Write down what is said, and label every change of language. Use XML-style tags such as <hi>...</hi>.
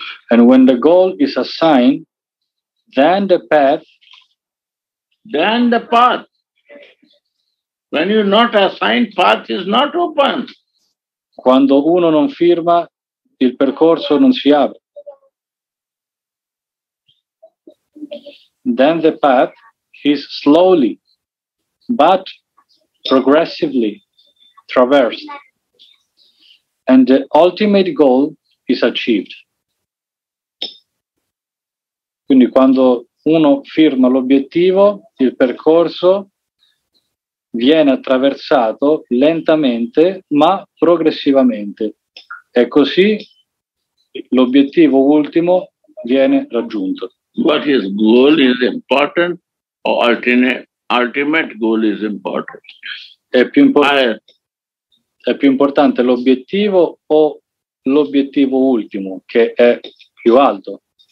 <en>And when the goal is assigned, then the path. Then the path. When you not assigned, path is not open.</en> <it>Quando uno non firma, il percorso non si apre.</it> <en>Then the path is slowly, but progressively traversed, and the ultimate goal is achieved.</en> <it>Quindi quando uno firma l'obiettivo, il percorso viene attraversato lentamente ma progressivamente, e così l'obiettivo ultimo viene raggiunto.</it> <en>What is goal is important, or ultimate goal is important.</en> <it>È più importante l'obiettivo o l'obiettivo ultimo, che è più alto?</it>